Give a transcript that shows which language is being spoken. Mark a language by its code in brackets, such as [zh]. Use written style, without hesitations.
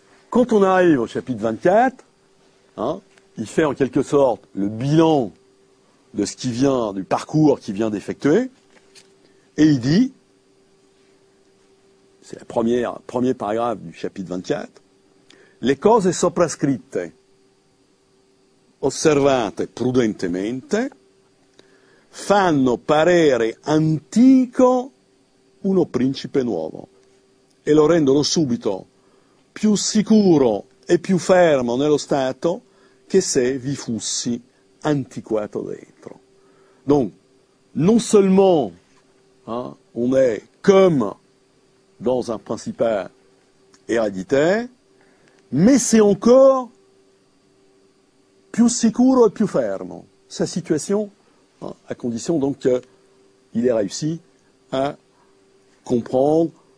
[fr] Quand on arrive au chapitre 24, hein, il fait en quelque sorte le bilan de ce qui vient, du parcours qu'il vient d'effectuer, et il dit. C'est le premier paragraphe du chapitre 24. [it] Les cose soprascritte, osservate prudentemente, fanno parere antico uno principe nuovo e lo rendono subito più sicuro e più fermo nello stato che se vi fossi antiquato dentro. [fr] Donc, non seulement hein, on est comme dans un principat héréditaire, mais c'est encore plus sicuro et plus fermo, sa situation, hein, à condition donc qu'il ait réussi à comprendre